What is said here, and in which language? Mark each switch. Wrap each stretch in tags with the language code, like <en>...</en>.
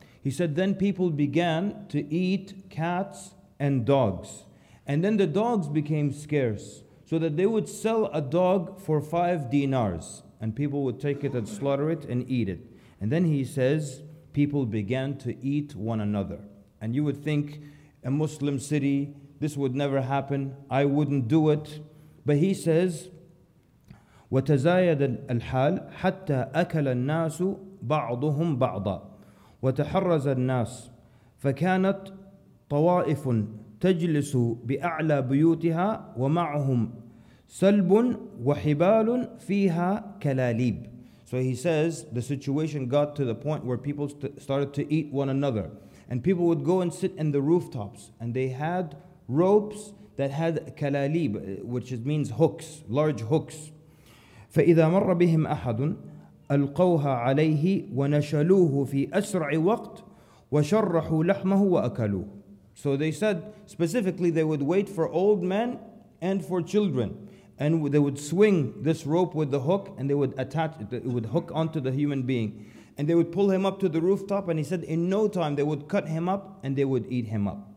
<en>He said then people began to eat cats and dogs, and then the dogs became scarce, so that they would sell a dog for 5 dinars, and people would take it and slaughter it and eat it. And then he says, people began to eat one another. And you would think, a Muslim city, this would never happen, I wouldn't do it. But he says,</en> <ar>وَتَزَايَدَ الْحَالِ حَتَّى أَكَلَ النَّاسُ بَعْضُهُمْ بَعْضًا وَتَحَرَّزَ النَّاسُ فَكَانَتْ طَوَائِفٌ تجلس بأعلى بيوتها ومعهم سلب وحبال فيها كلاليب.</ar> <en>So he says the situation got to the point where people started to eat one another, and people would go and sit in the rooftops, and they had ropes that had كلاليب, which means hooks, large hooks.</en> <ar>فإذا مر بهم أحد ألقوها عليه ونشلوه في أسرع وقت وشرحوا لحمه وأكلوه.</ar> <en>So they said, specifically, they would wait for old men and for children. And they would swing this rope with the hook, and they would attach it, it would hook onto the human being. And they would pull him up to the rooftop, and he said, in no time, they would cut him up, and they would eat him up.</en>